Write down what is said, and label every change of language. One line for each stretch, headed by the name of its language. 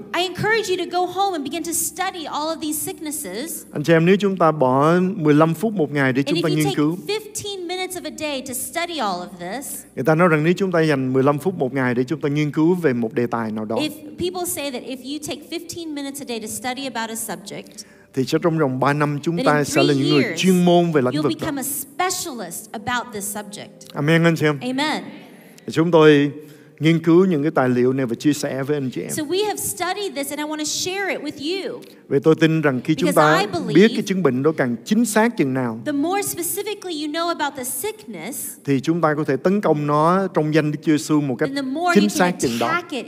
English: I encourage you to go home and begin to study all of these sicknesses.
Vietnamese: Anh chị em, nếu chúng ta bỏ 15 phút một ngày để chúng ta nghiên cứu.
English: And if you take 15 minutes of a day to study all of this.
Vietnamese: Người ta nói rằng nếu chúng ta dành 15 phút một ngày để chúng ta nghiên cứu về một đề tài nào đó.
English: If people say that if you take 15 minutes a day to study about a subject.
Vietnamese: Thì sẽ trong vòng 3 năm chúng ta sẽ là những người chuyên môn về lĩnh vực đó.
English: You'll become a specialist about this subject.
Vietnamese: Amen anh chị em.
English: Amen.
Vietnamese: Chúng tôi nghiên cứu những cái tài liệu này và chia sẻ với anh chị em.
English: So we have studied this and I want to share it with you.
Vietnamese: Vì tôi tin rằng khi chúng ta biết cái chứng bệnh đó càng chính xác chừng nào,
English: the more specifically you know about the sickness,
Vietnamese: thì chúng ta có thể tấn công nó trong danh Đức Chúa Giêsu một cách chính xác chừng đó.